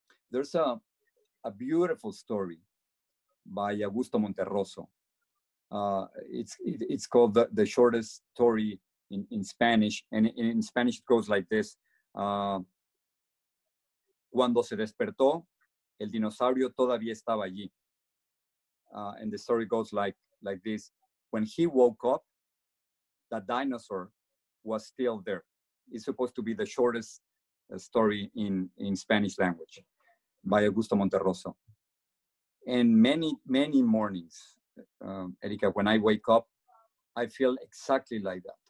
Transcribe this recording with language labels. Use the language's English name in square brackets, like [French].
[English] There's a beautiful story by Augusto Monterroso. It's called the shortest story in Spanish, and in Spanish it goes like this. [Spanish] Cuando se despertó, el dinosaurio todavía estaba allí. [English] And the story goes like this. When he woke up, the dinosaur was still there. It's supposed to be the shortest story in Spanish language by Augusto Monterroso. And many, many mornings, Erica, when I wake up, I feel exactly like that.